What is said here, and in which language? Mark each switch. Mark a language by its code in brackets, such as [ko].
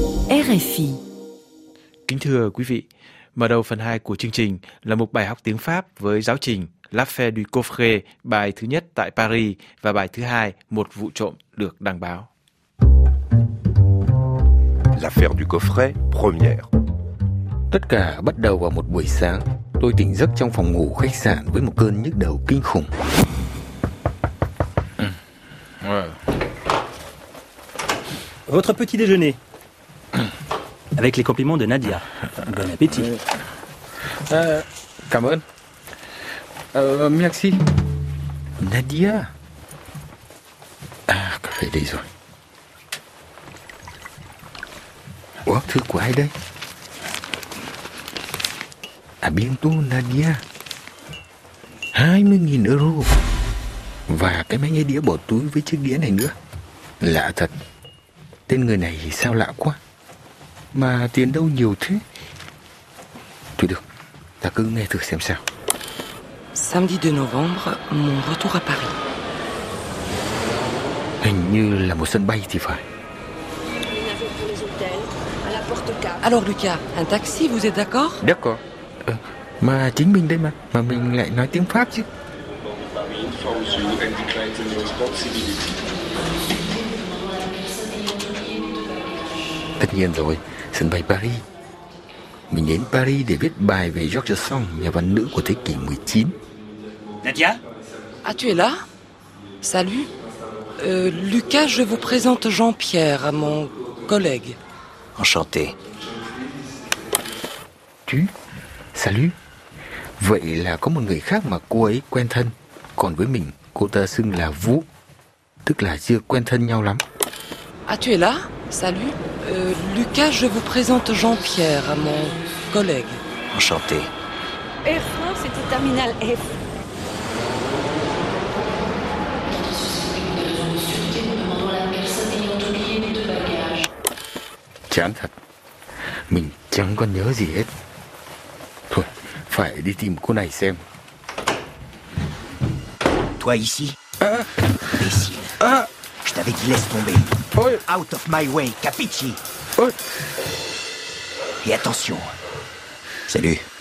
[vi] RFI. Kính thưa quý vị, mở đầu phần 2 của chương trình là một bài học tiếng Pháp với giáo trình L'Affaire du Coffre, bài thứ nhất tại Paris và bài thứ hai một vụ trộm được đăng báo. [fr] L'affaire du coffret, première. [vi] Tất cả bắt đầu vào một buổi sáng. Tôi tỉnh giấc trong phòng ngủ khách sạn với một cơn nhức đầu kinh khủng. [fr] Votre petit déjeuner. Avec les compliments de Nadia. Bon appétit. [vi] Cảm ơn. [fr] Merci. [vi] Nadia. Cái đấy rồi. Ủa, thư của ai đây? [fr] À, bientôt, Nadia. 20.000 euro. [vi] Và cái máy nghe đĩa bỏ túi với chiếc đĩa này nữa. Lạ thật. Tên người này sao lạ quá. Mà tiền đâu nhiều thế. Thôi được, ta cứ nghe thử xem sao. [fr] Samedi 2 novembre, mon retour à Paris. [vi] Hình như là một sân bay thì phải. [fr] Alors Lucas, un taxi, vous êtes d'accord? D'accord. [vi] Mà chính mình đây mà. Mà mình lại nói tiếng Pháp chứ. Tất nhiên rồi, sân bay Paris. Mình đến Paris để viết bài về George Sand, nhà văn nữ của thế kỷ 19. [fr] Nadia? Ah, tu es là? Salut. Lucas, je vous présente Jean-Pierre, mon collègue. Enchanté. Tu? Salut. [vi] Vậy là có một người khác mà cô ấy quen thân. Còn với mình, cô ta xưng là Vũ. Tức là chưa quen thân nhau lắm. [fr] Ah, tu es là? Salut. Lucas, je vous présente Jean-Pierre, mon collègue. Enchanté. Air France, c'était Terminal F. [vi] Chán thật. Mình chẳng còn nhớ gì hết. Thôi, phải đi tìm cô này xem. [fr] Toi ici? Imbécile. Je t'avais dit laisse tomber. [en] Out of my way, capisci? [fr] Et attention. Salut.